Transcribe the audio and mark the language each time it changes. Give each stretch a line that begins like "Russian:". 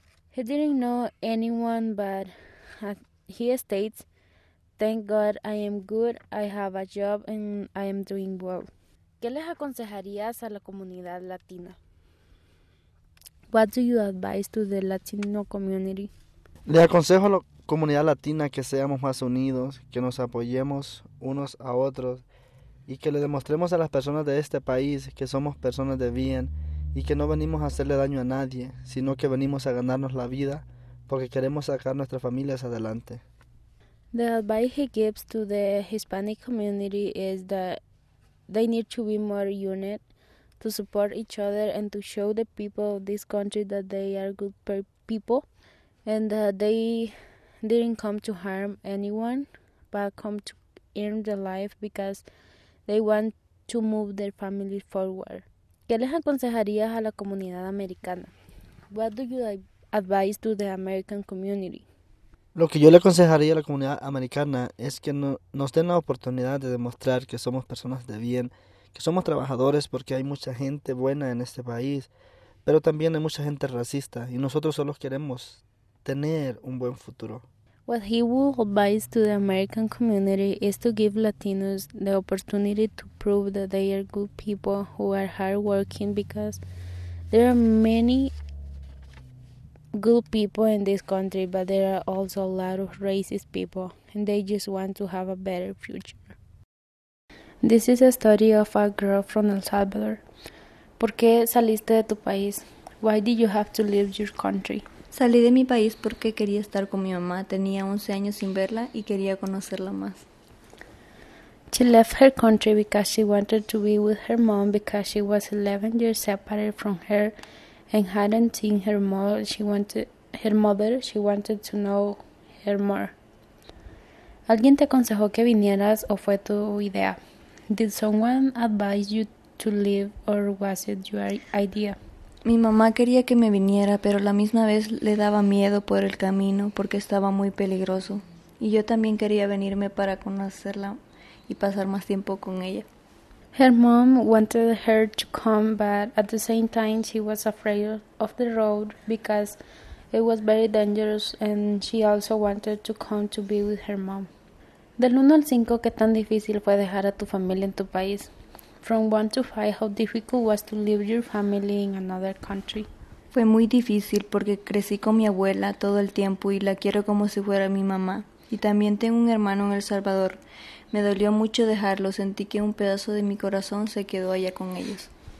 English: He didn't know anyone, but he states, "Thank God I am good, I have a job, and I am doing well."
Spanish: ¿Qué les aconsejarías a la comunidad latina?
English: What do you advise to the Latino community?
Spanish: Le aconsejo a la comunidad latina que seamos más unidos, que nos apoyemos unos a otros y que le demostremos a las personas de este país que somos personas de bien y que no venimos a hacerle daño a nadie, sino que venimos a ganarnos la vida porque queremos sacar nuestras familias adelante.
English: The advice he gives to the Hispanic community is that they need to be more united, to support each other and to show the people of this country that they are good people and that they didn't come to harm anyone but come to earn their life because they want to move their family forward.
Spanish: ¿Qué les aconsejarías a la comunidad americana?
English: What do you advise to the American community?
Spanish: Lo que yo le aconsejaría a la comunidad americana es que nos den la oportunidad de demostrar que somos personas de bien, que somos trabajadores porque hay mucha gente buena en este país, pero también hay mucha gente racista y nosotros solo queremos tener un buen futuro.
English: What he would advise to the American community is to give Latinos the opportunity to prove that they are good people who are hardworking because there are many good people in this country, but there are also a lot of racist people and they just want to have a better future. This is a story of a girl from El Salvador.
Spanish: ¿Por qué saliste de tu país?
English: Why did you have to leave your country?
Spanish: Salí de mi país porque quería estar con mi mamá. Tenía 11 años sin verla y quería conocerla más.
English: She left her country because she wanted to be with her mom because she was 11 years separated from her and hadn't seen her mom. She wanted to know her more.
Spanish: ¿Alguien te aconsejó que vinieras o fue tu idea?
English: Did someone advise you to leave or was it your idea?
Spanish: Mi mamá quería que me viniera, pero la misma vez le daba miedo por el camino porque estaba muy peligroso. Y yo también quería venirme para conocerla y pasar más tiempo con ella.
English: Her mom wanted her to come, but at the same time she was afraid of the road because it was very dangerous and she also wanted to come to be with her mom.
Spanish: Del 1 al 5, ¿qué tan difícil fue dejar a tu familia en tu país?
English: From 1 to 5, how difficult was to leave your family in another country?
Spanish: Fue muy difícil porque crecí con mi abuela todo el tiempo y la quiero como si fuera mi mamá. Y también tengo un hermano en El Salvador. Me dolió mucho dejarlo. Sentí que un pedazo de mi corazón se quedó allá con ellos.